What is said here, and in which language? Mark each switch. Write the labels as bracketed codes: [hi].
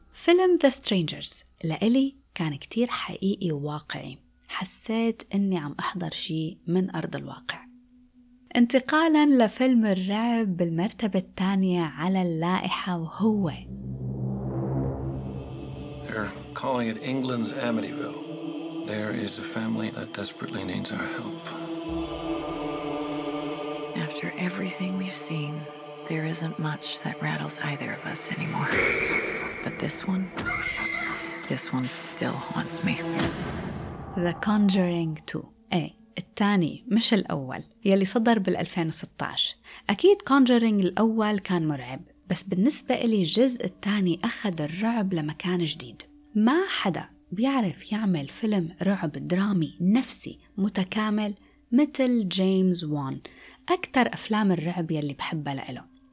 [ar] فيلم The Strangers لإلي كان كتير حقيقي وواقعي، حسيت إني عم أحضر شيء من أرض الواقع. انتقالاً لفيلم الرعب بالمرتبة الثانية على اللائحة، وهو [en] They're calling it England's Amityville. There is a family that desperately needs our help. After everything we've seen, there isn't much that rattles either of us anymore. But this one still haunts me. The Conjuring 2. [ar] إيه الثاني مش الأول، يلي صدر بال 2016. أكيد Conjuring الأول كان مرعب، بس بالنسبة إلي الجزء الثاني أخذ الرعب لمكان جديد. ما حدا بيعرف يعمل فيلم رعب درامي نفسي متكامل مثل جيمس وان، أكتر أفلام الرعب يلي بحبها له.